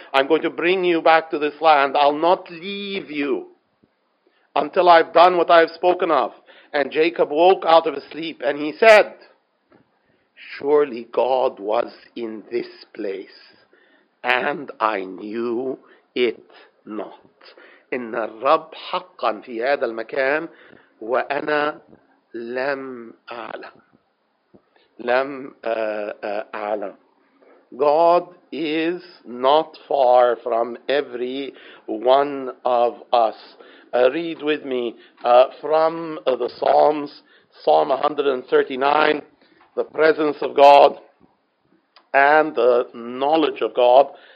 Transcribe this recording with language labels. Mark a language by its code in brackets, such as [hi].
[en] I'm going to bring you back to this land. I'll not leave you until I've done what I've spoken of. And Jacob woke out of his sleep and he said, surely God was in this place, and I knew it not. [ar] إن الرب حقا في هذا المكان وأنا لم أعلم. لم أعلم. [en] God is not far from every one of us. Read with me from the Psalms, Psalm 139. The presence of God and the knowledge of God.